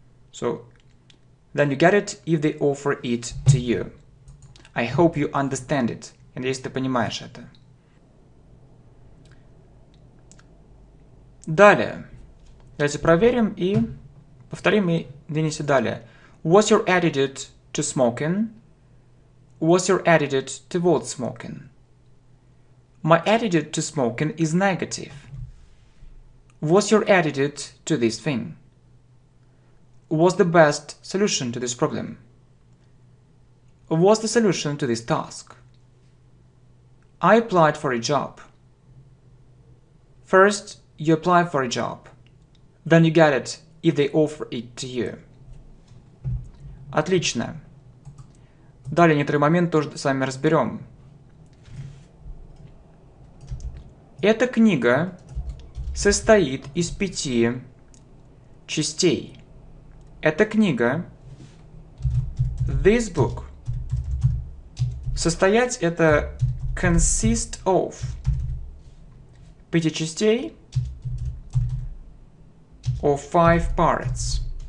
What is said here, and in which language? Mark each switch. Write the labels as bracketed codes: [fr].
[en] So, then you get it if they offer it to you. I hope you understand it. [ru] Я надеюсь, ты понимаешь это. Далее. Давайте проверим и повторим и двинемся далее. [en] What's your attitude to smoking? What's your attitude towards smoking? My attitude to smoking is negative. What's your attitude to this thing? What's the best solution to this problem? What's the solution to this task? I applied for a job. First, you apply for a job. Then you get it if they offer it to you. [ru] Отлично. Далее некоторый момент тоже с вами разберем. Эта книга состоит из 5 частей. Эта книга, [en] this book, [ru] состоять это [en] consist of 5 [ru] частей, [en] or 5 parts.